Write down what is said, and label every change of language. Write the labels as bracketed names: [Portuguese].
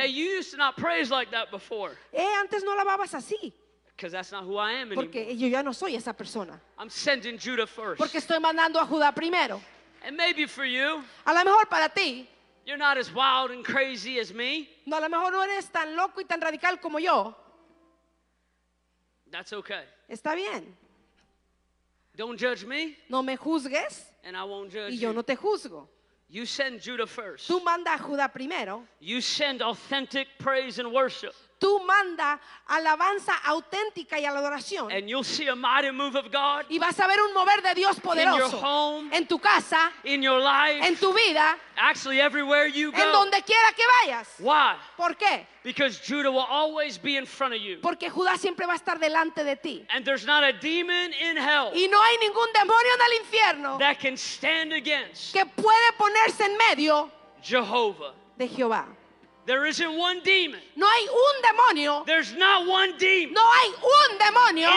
[English] Hey, you used to not praise like that before. [Spanish] Antes no alababas así. [English] Because that's not who I am anymore. [Spanish] Porque yo ya no soy esa persona. [English] I'm sending Judah first. [Spanish] Porque estoy mandando a Judá primero. [English] And maybe for you. [Spanish] A lo mejor para ti. [English] You're not as wild and crazy as me. [Spanish] No, a lo mejor no eres tan loco y tan radical como yo. [English] That's okay. [Spanish] Está bien. [English] Don't judge me. [Spanish] No me juzgues. [English] And I won't judge you. [Spanish] Y yo no te juzgo. [English] You send Judah first. [Spanish] Tú manda a Judá primero. [English] You send authentic praise and worship. [Spanish] Tú manda alabanza auténtica y a la adoración. [English] And you'll see a mighty move of God. [Spanish] Y vas a ver un mover de Dios poderoso. [English] In your home. [Spanish] En tu casa. [English] In your life. [Spanish] En tu vida. [English] Actually, everywhere you go. [Spanish] En donde quiera que vayas. [English] Why? [Spanish] ¿Por qué? [English] Because Judah will always be in front of you. [Spanish] Porque Judá siempre va a estar delante de ti. [English] And there's not a demon in hell. [Spanish] Y no hay ningún demonio en el infierno. [English] That can stand against. [Spanish] Que puede ponerse en medio. [English] Jehovah. [Spanish] De Jehová. [English] There isn't one demon. [Spanish] No hay un demonio. [English] There's not one demon. [Spanish] No hay un demonio.